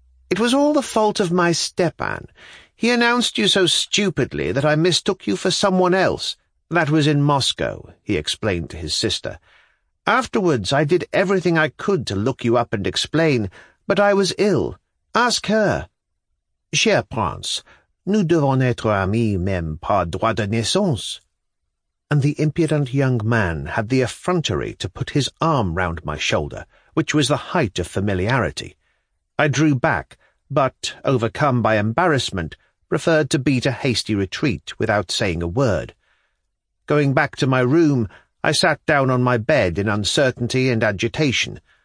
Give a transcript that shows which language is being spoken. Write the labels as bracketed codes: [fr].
[en] "It was all the fault of my Stepan. He announced you so stupidly that I mistook you for someone else. That was in Moscow," he explained to his sister. "Afterwards, I did everything I could to look you up and explain, but I was ill. Ask her." [fr] "Cher prince, nous devons être amis même par droit de naissance." [en] And the impudent young man had the effrontery to put his arm round my shoulder, which was the height of familiarity. I drew back, but, overcome by embarrassment, preferred to beat a hasty retreat without saying a word. Going back to my room, I sat down on my bed in uncertainty and agitation.